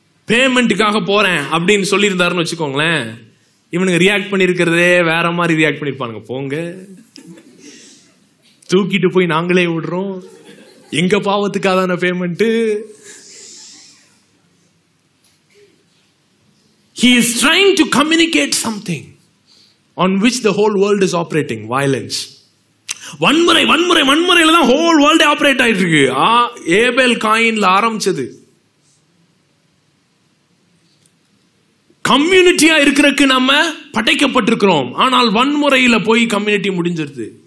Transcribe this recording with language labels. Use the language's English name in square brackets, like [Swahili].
[Tamil] பேமெண்ட்டுக்காக போறேன் அப்படின்னு சொல்லியிருந்தாருன்னு வச்சுக்கோங்களேன், இவனுங்க ரியாக்ட் பண்ணிருக்கிறதே வேற மாதிரி ரியாக்ட் பண்ணிருப்பானுங்க. போங்க, தூக்கிட்டு போய் நாங்களே விடுறோம், எங்க பாவத்துக்காதான payment. [English] He is trying to communicate something on which the whole world is operating, violence. [Tamil] வன்முறை வன்முறை வன்முறையில தான் [English] whole வேர்ல்டே operate [Tamil] ஆயிட்டு இருக்கு. ஏபேல் காயின்ல ஆரம்பிச்சது. கம்யூனிட்டியா இருக்கிறதுக்கு நம்ம படைக்கப்பட்டிருக்கிறோம், ஆனால் வன்முறையில போய் கம்யூனிட்டி முடிஞ்சிருது.